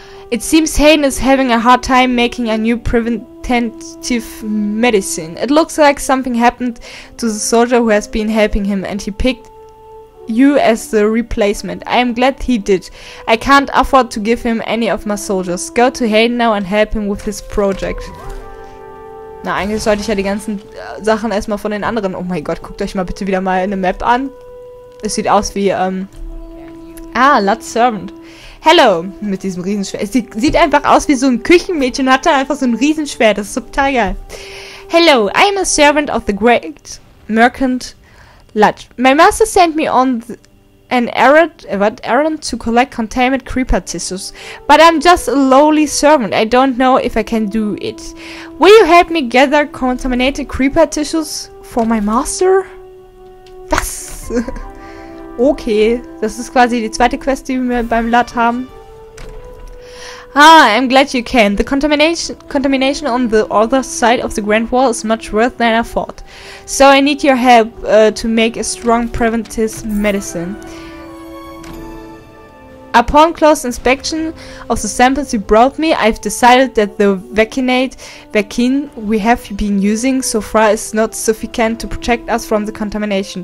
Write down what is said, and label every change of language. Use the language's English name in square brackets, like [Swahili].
[English] It seems Hayden is having a hard time making a new preventative medicine. It looks like something happened to the soldier who has been helping him and he picked you as the replacement. I am glad he did. I can't afford to give him any of my soldiers. Go to Hayden now and help him with his project. [German] Na, eigentlich sollte ich ja die ganzen Sachen erstmal von den anderen... Oh mein Gott, guckt euch mal bitte wieder mal eine Map an. Es sieht aus wie, Lutz Servant. Hello, mit diesem Riesenschwert. Sie sieht einfach aus wie so ein Küchenmädchen und hat da einfach so ein Riesenschwert. Das ist total geil. [English] Hello, I am a servant of the great merchant Lutz. My master sent me on an errand to collect contaminated creeper tissues. But I'm just a lowly servant. I don't know if I can do it. Will you help me gather contaminated creeper tissues for my master? Was? [German] Okay, das ist quasi die zweite Quest, die wir beim Lutz haben. [English] Ah, I'm glad you can. The contamination on the other side of the Grand Wall is much worse than I thought. So I need your help to make a strong preventive medicine. Upon close inspection of the samples you brought me, I've decided that the vaccine we have been using so far is not sufficient to protect us from the contamination.